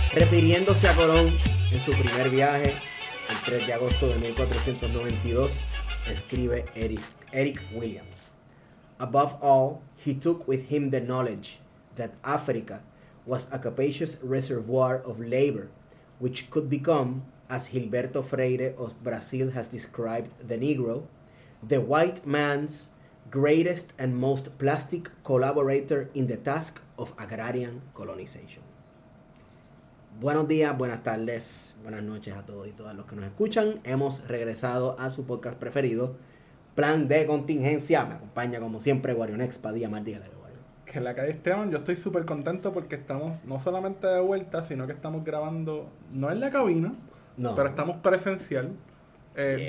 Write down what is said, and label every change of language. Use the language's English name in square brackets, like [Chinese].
[Spanish] dirigiéndose a Colón en su primer viaje, el 3 de agosto de 1492, escribe Eric Williams. [English] Above all, he took with him the knowledge that Africa was a capacious reservoir of labor, which could become, as Gilberto Freire of Brazil has described the Negro, the white man's greatest and most plastic collaborator in the task of agrarian colonization. [Spanish] Buenos días, buenas tardes, buenas noches a todos y todas los que nos escuchan. Hemos regresado a su podcast preferido, Plan de Contingencia. Me acompaña como siempre Guarionex, Padilla Martínez. Que la calle Esteban, yo estoy súper contento porque estamos no solamente de vuelta, sino que estamos grabando, no en la cabina, no, pero estamos presencial. [English] Yeah.